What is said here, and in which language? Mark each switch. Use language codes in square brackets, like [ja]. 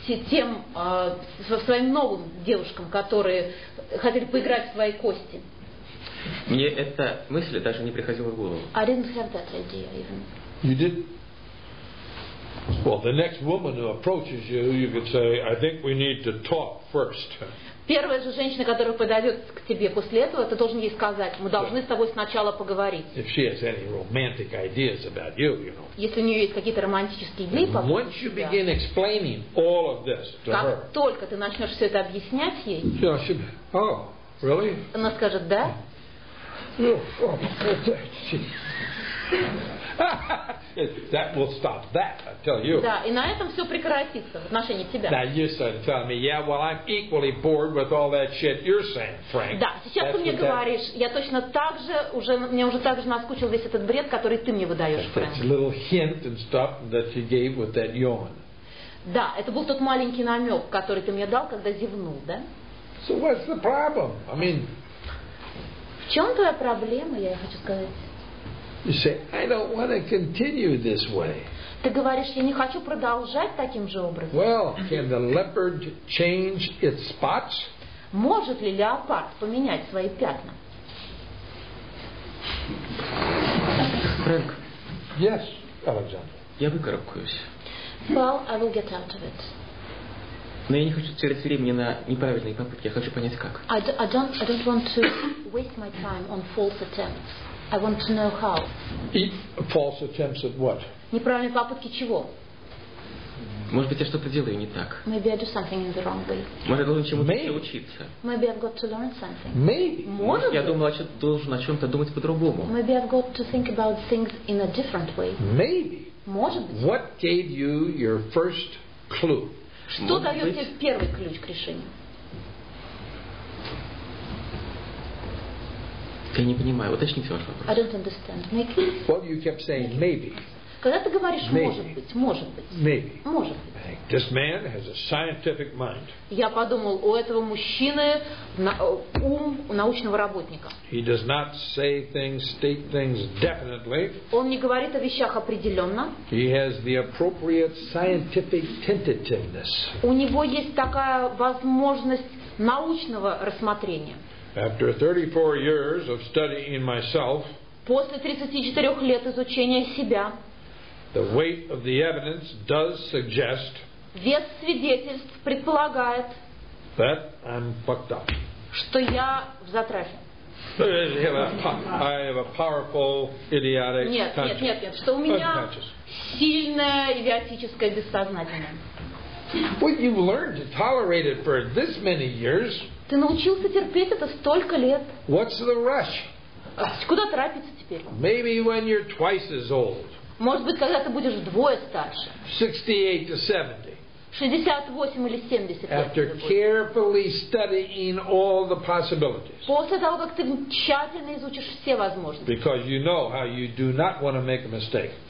[ru] Тем своим новым девушкам, которые хотели поиграть в свои кости. Мне эта мысль даже не приходила в голову. [en] I didn't have that idea even. You didn't? Well, the next woman who approaches you, you could say, I think we need to talk first. [ru] Первая же женщина, которая подойдет к тебе после этого, ты должен ей сказать, мы должны с тобой сначала поговорить. [en] If she has any romantic ideas about you, you know. [ru] Если у нее есть какие-то романтические идеи по поводу тебя. [en] Once you begin explaining all of this to her. [ru] Как только ты начнешь все это объяснять ей. [en] Yeah, she. Oh, really? [ru] Она скажет да. [en] That will stop that, I tell you. [ru] Да, и на этом все прекратится в отношении тебя. [en] Now you start telling me, yeah, well, I'm equally bored with all that shit you're saying, Frank. [ru] Да, сейчас ты мне говоришь, я точно так же, мне уже так же наскучил весь этот бред, который ты мне выдаешь, Фрэнк. [en] That's a little hint and stuff that you gave with that yawn. [ru] Да, это был тот маленький намек, который ты мне дал, когда зевнул, да? [en] So what's the problem? I mean. [ru] В чем твоя проблема, я хочу сказать. [en] You say, I don't want to continue this way. [ru] Ты говоришь, я не хочу продолжать таким же образом. [en] Well, can the leopard change its spots? [ru] Может ли леопард поменять свои пятна? [en] Frank. Yes, Alexander. [ru] Я выкарабкаюсь. [en] Well, I will get out of it. [ru] Но я не хочу терять времени на неправильные попытки. Я хочу понять, как. [en] I don't want to waste my time on false attempts. I want to know how. False attempts at what? [ru] Неправильные попытки чего? Может быть, я что-то делаю не так. [en] Maybe I do something in the wrong way. [ru] Может, я должен чему-то научиться. [en] Maybe I've got to learn something. Maybe. [ru] Может, я думал, я должен о чем-то думать по-другому. [en] Maybe I've got to think about things in a different way. Maybe. [ru] Может быть. [en] What gave you your first clue? [ru] Что дает тебе первый ключ к решению? Я не понимаю. Уточните ваш вопрос. [en] I don't understand. Make it. Well, you kept saying maybe. [ru] Когда ты говоришь может быть, может быть. [en] Maybe. [ru] Может быть. [en] This man has a scientific mind. [ru] Я подумал, у этого мужчины ум научного работника. [en] He does not say things, state things definitely. [ru] Он не говорит о вещах определенно. [en] He has the appropriate scientific tentativeness. [ru] У него есть такая возможность научного рассмотрения. [en] After 34 years of studying myself, [ru] после 34 лет изучения себя, [en] the weight of the evidence does suggest, [ru] вес свидетельств предполагает, [en] that I'm fucked up, [ru] что я в затрафе. [en] I have a powerful idiotic conscious. [ru] Нет, что у меня сильное идиотическое бессознательное. [en] Well, you've learned to tolerate it for this many years. [ru] Ты научился терпеть это столько лет. [en] What's the rush? [ru] Куда торопиться теперь? [en] Maybe when you're twice as old. [ru] Может быть, когда ты будешь вдвое старше. 68 или 70 лет. [en] After carefully studying all the possibilities. [ru] После того, как ты тщательно изучишь все возможности. [en] Because you know how you do not want to make a mistake.